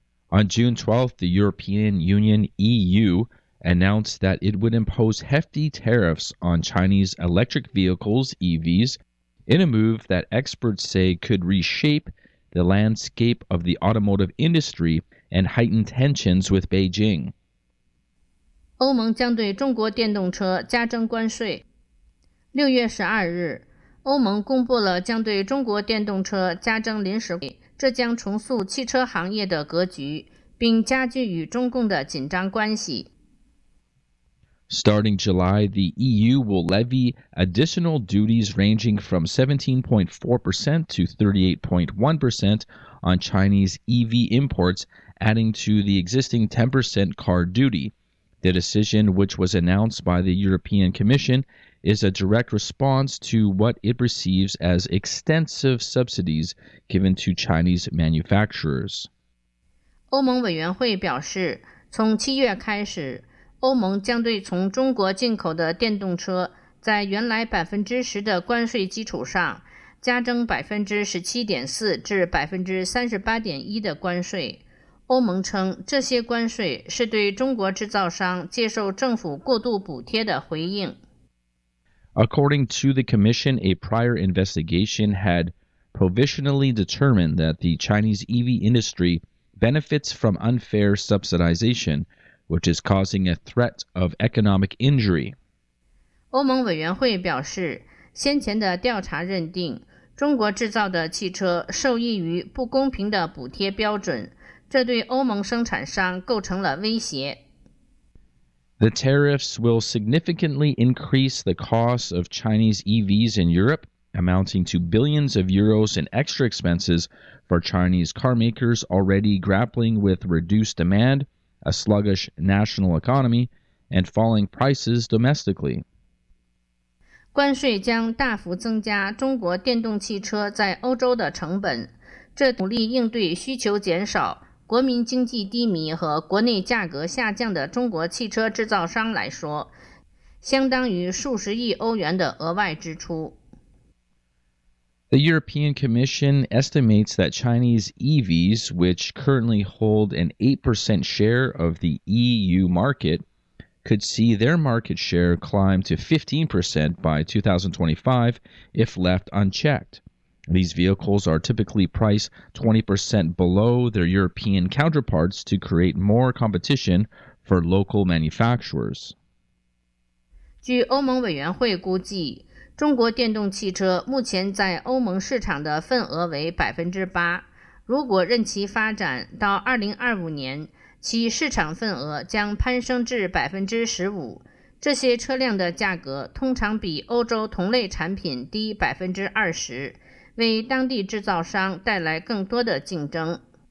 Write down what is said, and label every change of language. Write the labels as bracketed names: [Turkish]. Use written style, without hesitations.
[English] On June 12th, the European Union, EU, announced that it would impose hefty tariffs on Chinese electric vehicles, EVs, in a move that experts say could reshape the landscape of the automotive industry and heighten tensions with Beijing. [Chinese] 欧盟将对中国电动车加征关税。6月12日，欧盟公布了将对中国电动车加征临时关税，这将重塑汽车行业的格局，并加剧与中共的紧张关系。 [English] Starting July, the EU will levy additional duties ranging from 17.4% to 38.1% on Chinese EV imports, adding to the existing 10% car duty. The decision, which was announced by the European Commission, is a direct response to what it perceives as extensive subsidies given to Chinese manufacturers. [Chinese] 欧盟委员会表示，从7月开始，欧盟将对从中国进口的电动车在原来 10% 的关税基础上加征 17.4% 至 38.1% 的关税。欧盟称这些关税是对中国制造商接受政府过度补贴的回应。 [English] According to the Commission, a prior investigation had provisionally determined that the Chinese EV industry benefits from unfair subsidization,which is causing a threat of economic injury. [Chinese] 欧盟委员会表示，先前的调查认定，中国制造的汽车受益于不公平的补贴标准，这对欧盟生产商构成了威胁。 [English] The tariffs will significantly increase the cost of Chinese EVs in Europe, amounting to billions of euros in extra expenses for Chinese car makers already grappling with reduced demand,a sluggish national economy, and falling prices domestically. [Chinese] 关税将大幅增加中国电动汽车在欧洲的成本，这努力应对需求减少、国民经济低迷和国内价格下降的中国汽车制造商来说，相当于数十亿欧元的额外支出。 [English] The European Commission estimates that Chinese EVs, which currently hold an 8% share of the EU market, could see their market share climb to 15% by 2025 if left unchecked. These vehicles are typically priced 20% below their European counterparts to create more competition for local manufacturers. [Chinese] 据欧盟委员会估计，中国电动汽车目前在欧盟市场的份额为 8%， 如果任其发展到2025年，其市场份额将攀升至 15%。这些车辆的价格通常比欧洲同类产品低 20%， 为当地制造商带来更多的竞争。